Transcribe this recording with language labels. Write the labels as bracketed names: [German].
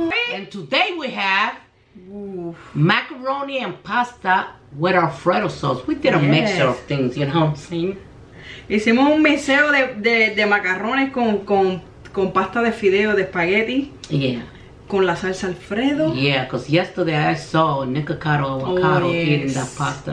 [English] And today we have macaroni and pasta with Alfredo sauce. We did a mixture of things, you know what I'm saying? [Spanish] Hicimos un meseo de macarrones con pasta de fideo, de espagueti. [English] Yeah. [Spanish] Con la salsa Alfredo. [English] Yeah, because yesterday I saw Nicocado Avocado eating that pasta.